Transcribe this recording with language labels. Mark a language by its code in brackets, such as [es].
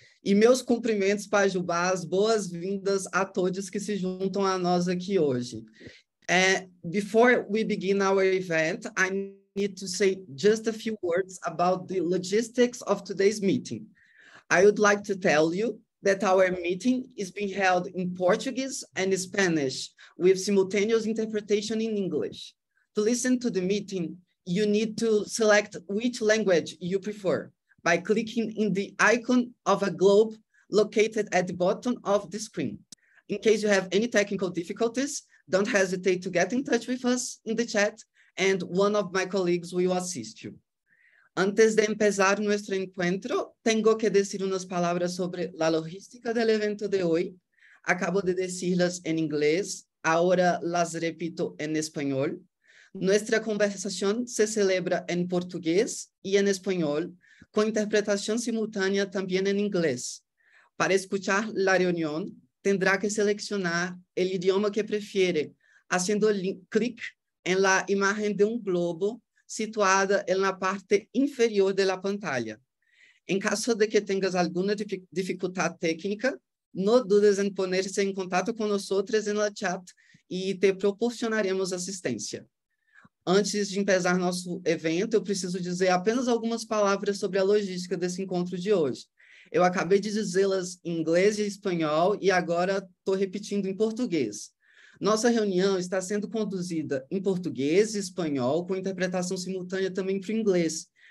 [pt] E meus cumprimentos para Jubás, boas-vindas a todos que se juntam a nós aqui hoje. [en] Before we begin our event, I need to say just a few words about the logistics of today's meeting. I would like to tell you that our meeting is being held in Portuguese and Spanish with simultaneous interpretation in English. To listen to the meeting, you need to select which language you prefer by clicking in the icon of a globe located at the bottom of the screen. In case you have any technical difficulties, don't hesitate to get in touch with us in the chat and one of my colleagues will assist you. [es] Antes de empezar nuestro encuentro, tengo que decir unas palabras sobre la logística del evento de hoy. Acabo de decirlas en inglés, ahora las repito en español. Nuestra conversación se celebra en portugués y en español, con interpretación simultánea también en inglés. Para escuchar la reunión, tendrá que seleccionar el idioma que prefiere, haciendo clic en la imagen de un globo situada en la parte inferior de la pantalla. En caso de que tengas alguna dificultad técnica, no dudes en ponerse en contacto con nosotros en la chat y te proporcionaremos asistencia. [pt] Antes de empezar nosso evento, eu preciso dizer apenas algumas palavras sobre a logística desse encontro de hoje. Eu acabei de dizê-las em inglês e espanhol e agora estou repetindo em português. Nossa reunião está sendo conduzida em português e espanhol com interpretação simultânea também para o inglês.